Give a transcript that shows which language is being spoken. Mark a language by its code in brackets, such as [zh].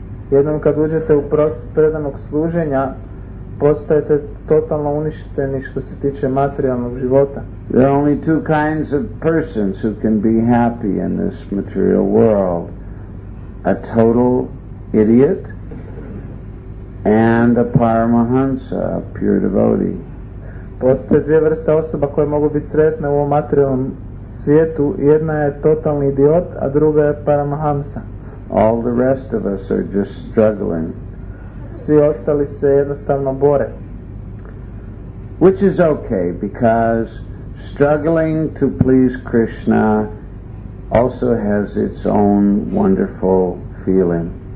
[hr] Jednom kad uđete u proces predanog služenja, postajete totalno uništeni što se tiče materijalnog života. [en] There are only two kinds of persons who can be happy in this material world: a total idiot and a paramahansa, a pure devotee. [hr] Postoje dvije vrste osoba koje mogu biti sretne u ovom materijalnom svijetu. Jedna je totalni idiot, a druga je paramahamsa. [en] All the rest of us are just struggling. [hr] Svi ostali se jednostavno bore. [en] Which is okay, because struggling to please Krishna also has its own wonderful feeling.